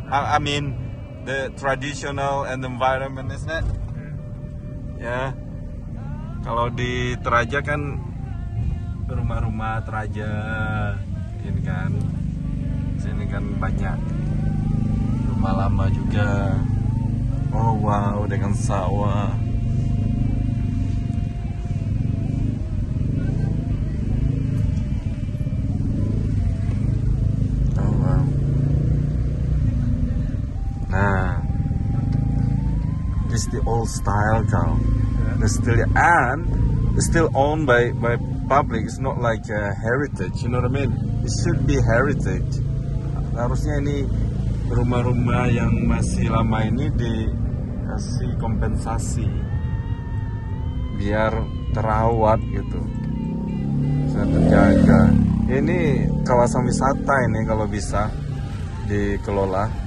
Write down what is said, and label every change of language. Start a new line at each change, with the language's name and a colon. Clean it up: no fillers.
English: I mean, the traditional and environment, isn't it? Yeah.
Indonesian: Kalau di Toraja kan rumah-rumah Toraja ini kan. Sini kan banyak rumah lama juga.
English: Oh wow,
Indonesian: dengan sawah.
English: Oh wow. Nah, this the old style, Carl. It's still and it's still owned by public. It's not like a heritage. You know what I mean? It should be heritage.
Indonesian: Harusnya ini rumah-rumah yang masih lama ini dikasih kompensasi biar terawat gitu. bisa terjaga. Ini kawasan wisata ini kalau bisa dikelola.